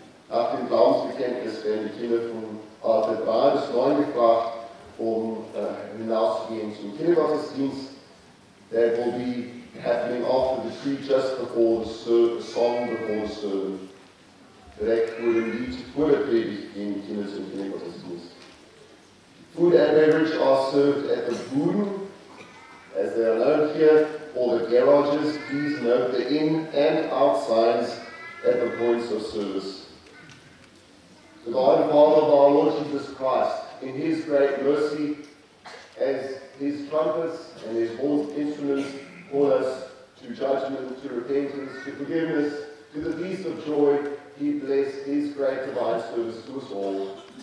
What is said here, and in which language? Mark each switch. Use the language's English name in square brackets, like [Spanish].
[German] Nach dem Glaubensbekenntnis werden die Kinder von Alter 3 bis 9 gebracht, um hinauszugehen zum Kindergottesdienst. [English] That will be happening after the creed, just before the song before the sermon. [German] Direkt vor dem Lied vor der Predigt gehen die Kinder zum Kindergottesdienst. [English] Food and beverage are served at the Buden. As they are known here, all the garages, please note the in and out signs at the points of service. The God and Father of our Lord Jesus Christ, in his great mercy, as his trumpets and his horn instruments call us to judgment, to repentance, to forgiveness, to the feast of joy, he bless his great divine service to us all.